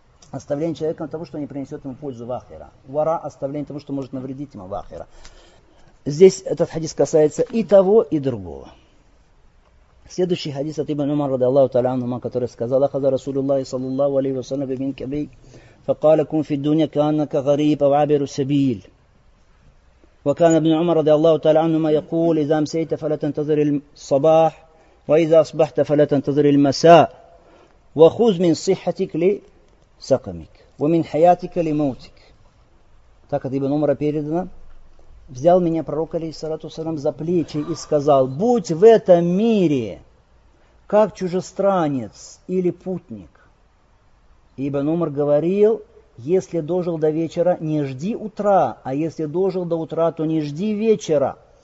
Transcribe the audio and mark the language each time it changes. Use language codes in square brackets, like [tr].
[ru] Оставление человеком того, что не принесет ему пользу в ахира. Вара – оставление того, что может навредить ему в ахира. Здесь этот хадис касается и того, и другого. Следующий хадис от Ибн Умара, радиаллаху та'аля анхума, который сказал: [ar] «Ахаза Расулуллахи, саллаллаху алейхи ва саллям, бимин кабей, факала кун фид дунья каннака гариб ау абиру сабиль». وكان ابن عمر رضي الله تعالى عنهما يقول: إذا أمسيت فلا تنتظر الصباح، وإذا أصبحت فلا تنتظر المساء، وخذ من صحتك لسقمك، ومن حياتك لموتك. [ru] Так от Ибн Умара передано: взял меня пророк алейхиссалату вассалям за плечи и сказал: будь в этом мире как чужестранец или путник. Ибн Умар говорил: если дожил до вечера, не жди утра, а если дожил до утра, то не жди вечера.